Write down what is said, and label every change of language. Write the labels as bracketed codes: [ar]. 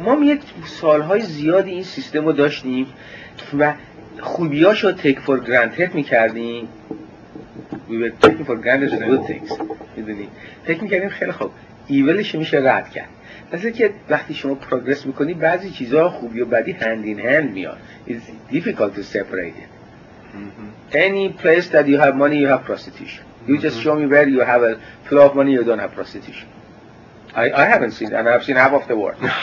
[fa] ما میاد سالهای زیادی این سیستم رو داشتیم و خوبیاش رو [en] take for granted [fa] میکردیم. [en] We were taking for granted the good things. [fa] میدونی؟ فکر میکردیم خیلی خوب ایولش میشه رد کرد. مثل که وقتی شما پروگرس میکنی, بعضی چیزها خوبی و بدی [en] hand in hand [fa] میاد. [en] It's difficult to separate it. Any place that you have money, you have prostitution. You just show me where you have a flow of money, you don't have prostitution. I haven't seen it, and I've seen half of the world.